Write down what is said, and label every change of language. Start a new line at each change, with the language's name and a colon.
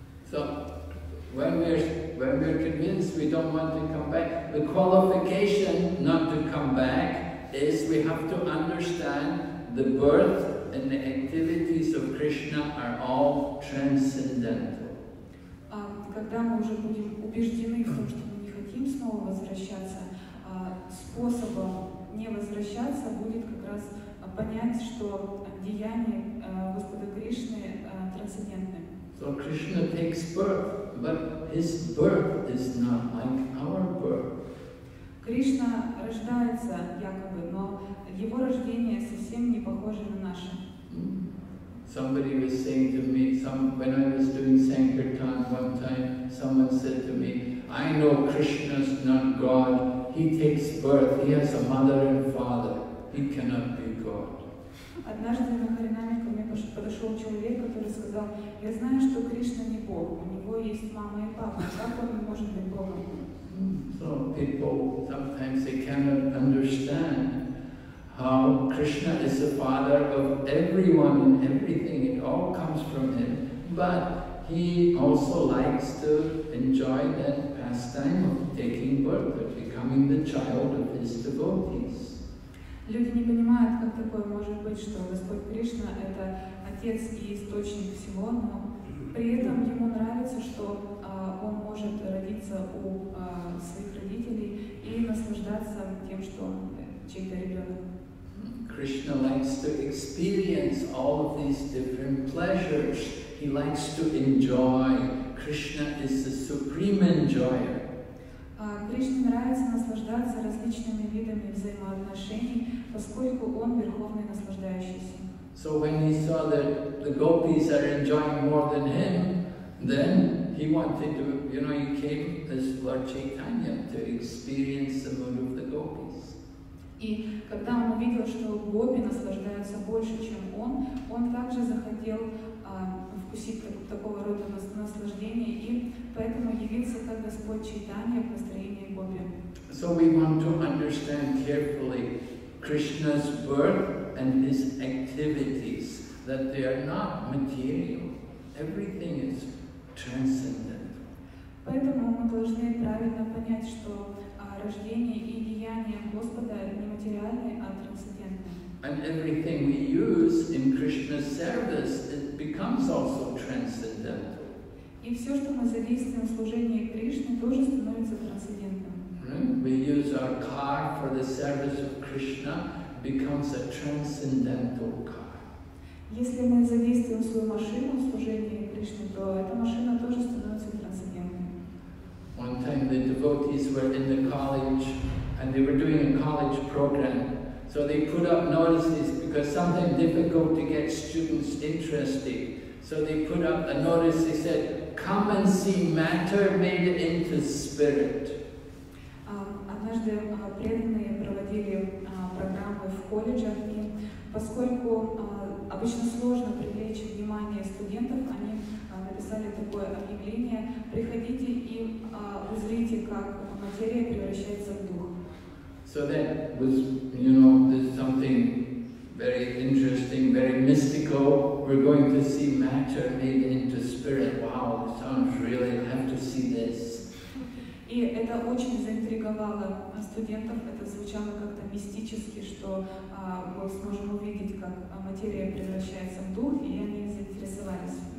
English: So, when we're convinced we don't want to come back, the qualification not to come back is we have to understand the birth and the activities of Krishna are all transcendental.
Russian: Когда мы уже будем убеждены в том, что мы не хотим снова возвращаться, способом не возвращаться будет как раз понять, что деяния Господа Кришны трансцендентны.
English: So Krishna takes birth, but his birth is not like our birth.
Russian: Кришна рождается якобы, но его рождение совсем не похоже на наше.
English: Somebody was saying to me, when I was doing sankirtan one time, someone said to me, I know Krishna's not God. He takes birth. He has a mother and father. He cannot be God.
Russian: Однажды на харинаме ко мне подошел человек, который сказал, я знаю, что Кришна не Бог. У него есть мама и папа. Как он может быть Богом?
English: So people sometimes they cannot understand how Krishna is the father of everyone and everything. It all comes from him. But he also likes to enjoy that pastime of taking birth, of becoming the child of his devotees.
Russian: Люди не понимают, как такое может быть, что Господь Кришна — это отец и источник всего, но при этом ему нравится, что он может родиться у своих родителей и наслаждаться тем, что чей-то ребенок.
English: Krishna likes to experience all of these different pleasures. He likes to enjoy. Krishna is the supreme enjoyer.
Russian: Кришне нравится наслаждаться различными видами взаимоотношений, поскольку он верховный наслаждающийся.
English: So when he saw that the gopis are enjoying more than him, then he wanted to, you know, he came as Lord Chaitanya to experience the mood of the gopis.
Russian: И когда он увидел, что гопи наслаждаются больше, чем он также захотел вкусить такого рода наслаждение и поэтому явился как Господь Чайтанья в настроении гопи.
English: So we want to understand carefully Krishna's birth and his activities, that they are not material. Everything is transcendent.
Russian: Поэтому мы должны правильно понять, что рождение и деяния Господа не материальны, а трансцендентны.
English: And everything we use in Krishna's service, it becomes also transcendental.
Russian: И все, что мы задействуем в служении Кришны, тоже становится трансцендентным.
English: We use our car for the service of Krishna, becomes a transcendental car.
Russian: Если мы задействуем свою машину в служении Кришны, то эта машина тоже становится трансцендентной.
English: One time the devotees were in the college and they were doing a college program. So they put up notices because sometimes difficult to get students interested. So they put up a notice, they said, come and see matter made into spirit.
Russian: Однажды преданные проводили программы в колледжах, и поскольку обычно сложно привлечь внимание студентов, они написали такое объявление, приходите и узрите, как материя превращается в дух.
English: So that was, you know, this something very interesting, very mystical. We're going to see matter made into spirit. Wow, sounds really, I have to see this.
Russian: И это очень заинтриговало студентов, это звучало как-то мистически, что мы сможем увидеть, как материя превращается в дух, и они заинтересовались.